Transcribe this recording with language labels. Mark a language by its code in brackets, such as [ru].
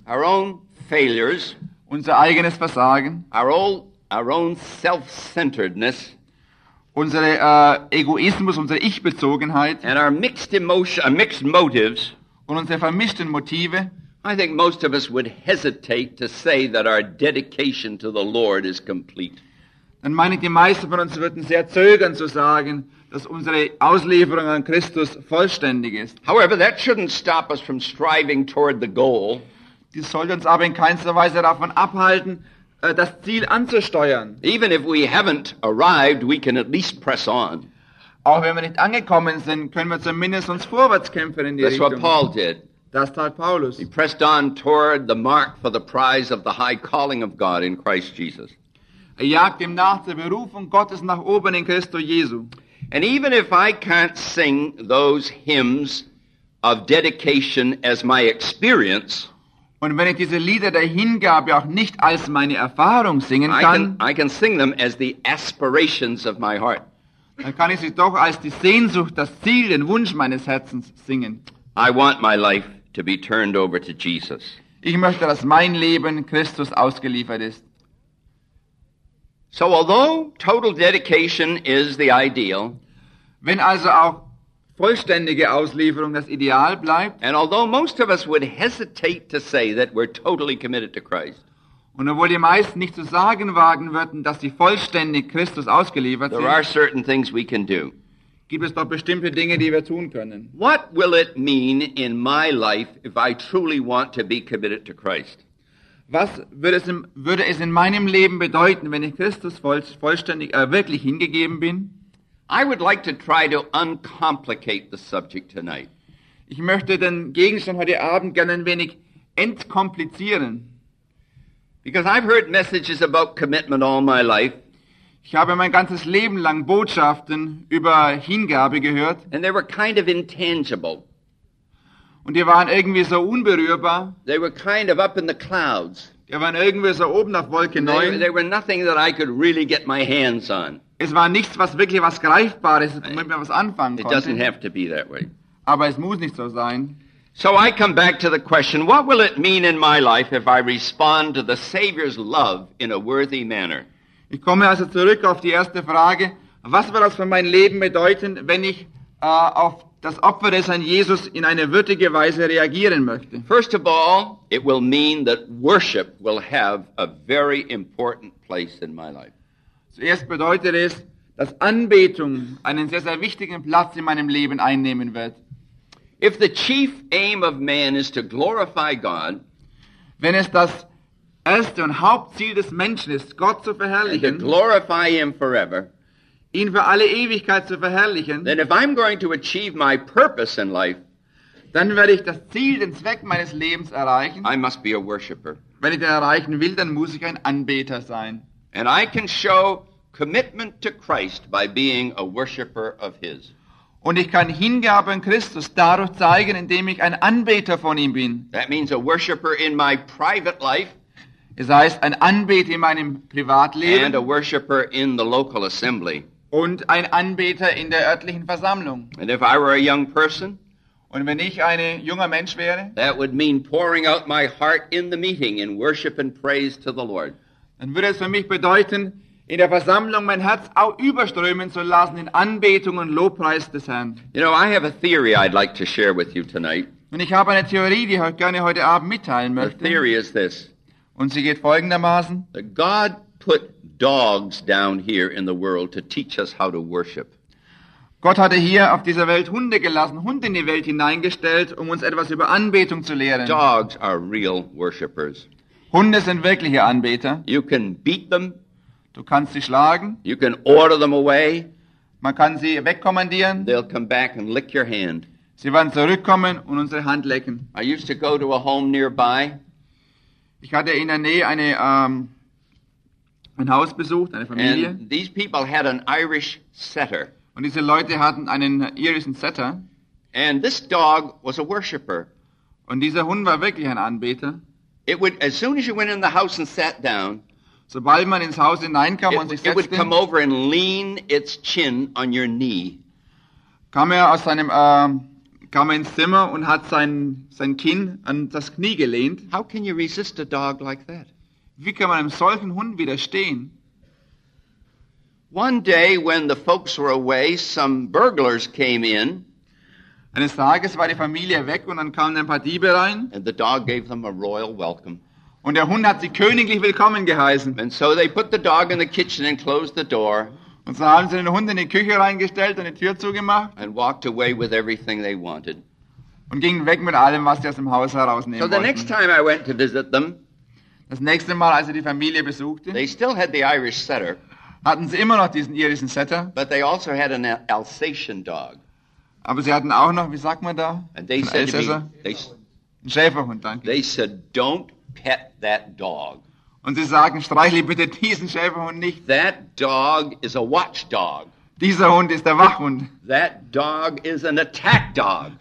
[en] our own failures, [de] unser eigenes Versagen, [en] our own self-centeredness, [de] unsere Egoismus, unsere Ich-Bezogenheit, [en] and our mixed motives, [de] und unsere vermischten Motive, [en] I think most of us would hesitate to say that our dedication to the Lord is complete. [de] Dann meine ich, die meisten von uns würden sehr zögern zu sagen, dass unsere Auslieferung an Christus vollständig ist. [en] However, that shouldn't stop us from striving toward the goal. [de] Dies sollte uns aber in keinster Weise davon abhalten, das Ziel anzusteuern. [en] Even if we haven't arrived, we can at least press on. [de] Auch wenn wir nicht angekommen sind, können wir zumindest uns vorwärts kämpfen in die Richtung. [en] That's what Paul did. [de] Das tat Paulus. [en] He pressed on toward the mark for the prize of the high calling of God in Christ Jesus. [de] Er jagt ihm nach der Berufung Gottes nach oben in Christo Jesu. [en] And even if I can't sing those hymns of dedication as my experience, [de] und wenn ich diese Lieder der Hingabe auch nicht als meine Erfahrung singen kann, [en] I can sing them as the aspirations of my heart. [de] Dann kann ich sie doch als die Sehnsucht, das Ziel, den Wunsch meines Herzens singen. [en] I want my life to be turned over to Jesus. [de] Ich möchte, dass mein Leben Christus ausgeliefert ist. [en] So although total dedication is the ideal, [de] wenn also auch vollständige Auslieferung das Ideal bleibt, [en] and although most of us would hesitate to say that we're totally committed to Christ, [de] und obwohl die meisten nicht zu sagen wagen würden, dass sie vollständig Christus ausgeliefert [en] there [de] sind, [en] are certain things we can do. [de] Gibt es doch bestimmte Dinge, die wir tun können. [en] What will it mean in my life if I truly want to be committed to Christ? [de] Was würde es in meinem Leben bedeuten, wenn ich Christus vollständig wirklich hingegeben bin? [en] I would like to try to uncomplicate the subject tonight. [de] Ich möchte den Gegenstand heute Abend gerne ein wenig entkomplizieren. [en] Because I've heard messages about commitment all my life. [de] Ich habe mein ganzes Leben lang Botschaften über Hingabe gehört. [en] And they were kind of intangible. [de] Und die waren irgendwie so unberührbar. [en] They were kind of up in the clouds. [de] Die waren irgendwie so oben auf Wolke 9. [en] They were nothing that I could really get my hands on. [de] Es war nichts, was wirklich was Greifbares, womit man was anfangen konnte. [en] It doesn't have to be that way. [de] Aber es muss nicht so sein. [en] So I come back to the question, what will it mean in my life if I respond to the Savior's love in a worthy manner? [de] Ich komme also zurück auf die erste Frage, was wird das für mein Leben bedeuten, wenn ich auf das Opfer des Herrn Jesus in eine würdige Weise reagieren möchte? [en] First of all, it will mean that worship will have a very important place in my life. [de] Zuerst bedeutet es, dass Anbetung einen sehr, sehr wichtigen Platz in meinem Leben einnehmen wird. [en] If the chief aim of man is to glorify God, [de] wenn es das erste und Hauptziel des Menschen ist, Gott zu verherrlichen, [en] and to glorify him forever, [de] ihn für alle Ewigkeit zu verherrlichen, [en] then if I'm going to achieve my purpose in life, [de] dann werde ich das Ziel, den Zweck meines Lebens erreichen. [en] I must be a worshipper. [de] Wenn ich den erreichen will, dann muss ich ein Anbeter sein. [en] And I can show commitment to Christ by being a worshipper of his. [de] Und ich kann Hingabe an Christus dadurch zeigen, indem ich ein Anbeter von ihm bin. [en] That means a worshipper in my private life. [de] Es heißt, ein Anbeter in meinem Privatleben. [en] And a worshipper in the local assembly. [de] Und ein Anbeter in der örtlichen Versammlung. [en] And if I were a young person, [de] und wenn ich ein junger Mensch wäre, [en] that would mean pouring out my heart in the meeting in worship and praise to the Lord. [de] Dann würde es für mich bedeuten, in der Versammlung mein Herz auch überströmen zu lassen in Anbetung und Lobpreis des Herrn. [en] You know, I have a theory I'd like to share with you tonight. [de] Und ich habe eine Theorie, die ich gerne heute Abend mitteilen möchte. [en] The theory is this. [de] Und sie geht folgendermaßen. [en] That God put dogs down here in the world to teach us how to worship. [de] Gott hatte hier auf dieser Welt Hunde gelassen, Hunde in die Welt hineingestellt, um uns etwas über Anbetung zu lehren. [en] Dogs are real worshippers. [de] Hunde sind wirkliche Anbeter. [en] You can beat them. [de] Du kannst sie schlagen. [en] You can order them away. [de] Man kann sie wegkommandieren. [en] They'll come back and lick your hand. [de] Sie werden zurückkommen und unsere Hand lecken. [en] I used to go to a home nearby. [de] Ich hatte in der Nähe eine ein Haus besucht, eine Familie. [en] And these people had an Irish setter. [de] Und diese Leute hatten einen irischen Setter. [en] And this dog was a worshipper. [de] Und dieser Hund war wirklich ein Anbeter. [en] It would, as soon as you went in the house and sat down, [de] sobald man ins Haus hineinkam und sich setzte, [en] it would come over and lean its chin on your knee. [de] Kam er ins Zimmer und hat sein Kinn an das Knie gelehnt. [en] How can you resist a dog like that? [de] Wie kann man einem solchen Hund widerstehen? [en] One day when the folks were away, some burglars came in. [de] Eines Tages war die Familie weg und dann kamen ein paar Diebe rein. [en] And the dog gave them a royal welcome. [de] Und der Hund hat sie königlich willkommen geheißen. [en] And so they put the dog in the kitchen and closed the door. [de] Und so haben sie den Hund in die Küche reingestellt und die Tür zugemacht. [en] And walked away with everything they wanted. [de] Und gingen weg mit allem, was sie aus dem Haus herausnehmen wollten. [en] So the next time I went to visit them, [de] das nächste Mal, als ich die Familie besuchte, [en] they still had the Irish setter. [de] Hatten sie immer noch diesen irischen Setter. [en] But they also had an Alsatian dog. [de] Aber sie hatten auch noch, wie sagt man da? Ein Schäferhund, danke. [en] They said, don't pet that dog. [de] Und sie sagen, streichle bitte diesen Schäferhund nicht. [en] That dog is a watchdog. [de] Dieser Hund ist der Wachhund. [en] That dog is an attack dog.